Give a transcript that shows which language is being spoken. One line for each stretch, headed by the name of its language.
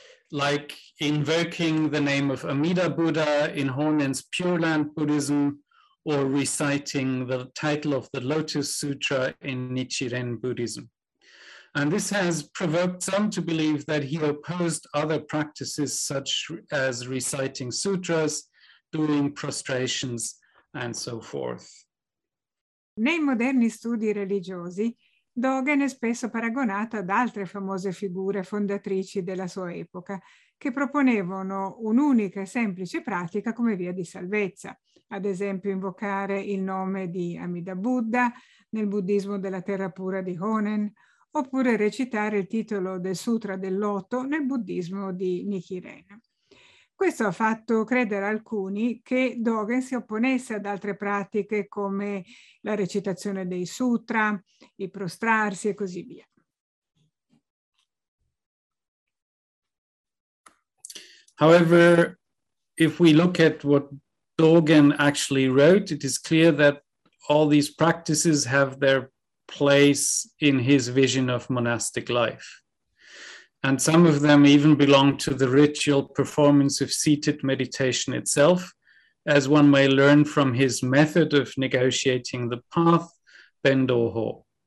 English: Like invoking the name of Amida Buddha in Honen's Pure Land Buddhism, or reciting the title of the Lotus Sutra in Nichiren Buddhism. And this has provoked some to believe that he opposed other practices such as reciting sutras, doing prostrations, and so forth.
Italian: Nei moderni studi religiosi, Dogen è spesso paragonato ad altre famose figure fondatrici della sua epoca, che proponevano un'unica e semplice pratica come via di salvezza. Ad esempio invocare il nome di Amida Buddha nel buddismo della terra pura di Honen, oppure recitare il titolo del Sutra del Loto nel buddismo di Nichiren. Questo ha fatto credere alcuni che Dogen si opponesse ad altre pratiche come la recitazione dei sutra, i prostrarsi e così via.
English: However, if we look at what Dogen actually wrote, it is clear that all these practices have their place in his vision of monastic life. And some of them even belong to the ritual performance of seated meditation itself, as one may learn from his method of negotiating the path, Bendoho.